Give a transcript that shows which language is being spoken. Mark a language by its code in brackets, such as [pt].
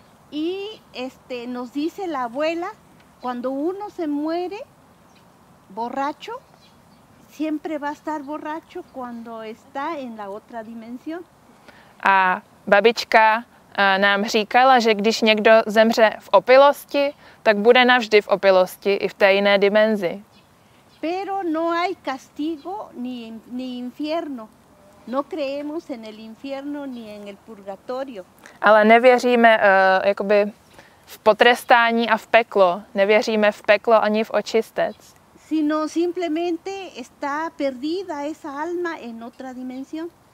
[es] Y nos dice la abuela, cuando uno se muere borracho, siempre va a estar borracho cuando está en la otra dimensión. [cs] A babička nám říkala, že když někdo zemře v opilosti, tak bude navždy v opilosti i v té jiné dimenzi. [es] Pero no hay castigo ni infierno. No creemos en el infierno ni en el purgatorio. [cs] Ale nevěříme jakoby v potrestání a v peklo. Nevěříme v peklo ani v očistec. [es] Sino simplemente está perdida esa alma en otra dimensión.